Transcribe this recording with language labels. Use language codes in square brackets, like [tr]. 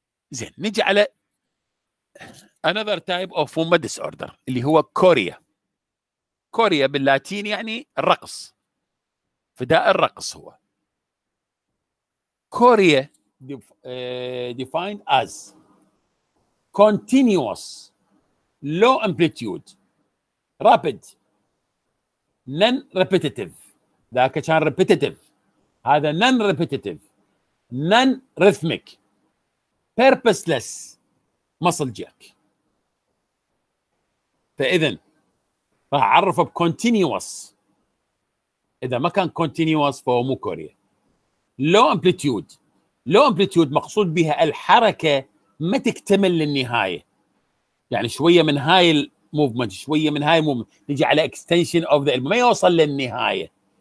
[ar] زين نجي على [en] another type of woman disorder [ar] اللي هو كوريا. كوريا باللاتين يعني الرقص، فداء الرقص. [en] هو chorea defined as continuous low amplitude rapid non repetitive. [ar] ذاك كان [en] repetitive، هذا non repetitive non rhythmic purposeless muscle jerk. [ar] فإذن راح أعرفه بcontinuous، إذا ما كان continuous فهو مو كوريا. low amplitude، low amplitude مقصود بها الحركة ما تكتمل للنهاية، يعني شوية من هاي الموفمنت شوية من هاي الموفمنت نجي على [en] extension of the [ar] ما يوصل للنهاية.